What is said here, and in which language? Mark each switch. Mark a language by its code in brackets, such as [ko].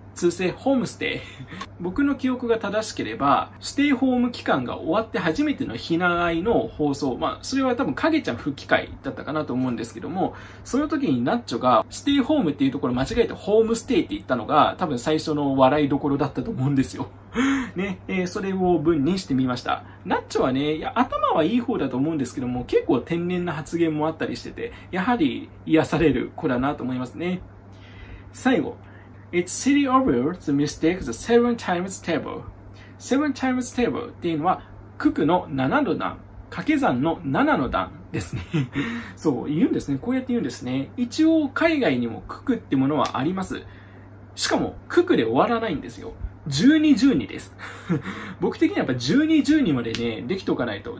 [ja] 通称ホームステイ。僕の記憶が正しければ、ステイホーム期間が終わって初めてのひながいの放送、まあ、それは多分、影ちゃん復帰会だったかなと思うんですけども、その時にナッチョが、ステイホームっていうところ間違えてホームステイって言ったのが、多分最初の笑いどころだったと思うんですよ。ね、それを文にしてみました。ナッチョはね、いや、頭はいい方だと思うんですけども、結構天然な発言もあったりしてて、やはり癒される子だなと思いますね。最後。 [en] It's silly of you to mistake the seven times table. Seven times table [ja] っていうのは、九九の七の段、掛け算の七の段ですね。そう、言うんですね。こうやって言うんですね。一応、海外にも九九ってものはあります。しかも、九九で終わらないんですよ。 12-12です。僕的にはやっぱ12-12までね、できておかないと。